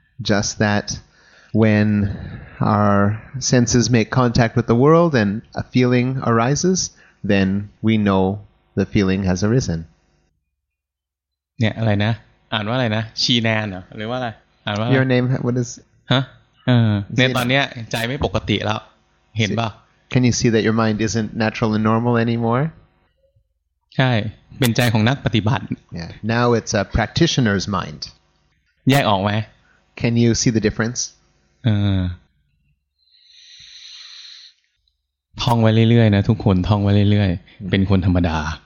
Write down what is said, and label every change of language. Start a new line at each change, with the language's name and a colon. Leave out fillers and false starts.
English: Just that when our senses make contact with the world and a feeling arises, then we know. The feeling has arisen.
Thai: เนี่ยอะไรนะอ่านว่าอะไรนะชีแนนเหรอหรือว่าอะไรอ่านว่า
English: Your name what is
Thai: ฮะเนี่ยตอนเนี้ยใจไม่ปกติแล้วเห็นป่ะ
English: Can you see that your mind isn't natural and normal anymore?
Thai: ใช่เป็นใจของนักปฏิบัติ
English: Yeah. Now it's a practitioner's mind.
Thai: แยกออกไหม
English: Can you see the difference?
Thai: ท่องไว้เรื่อยๆนะทุกคนท่องไว้เรื่อยๆเป็นคนธรรมดา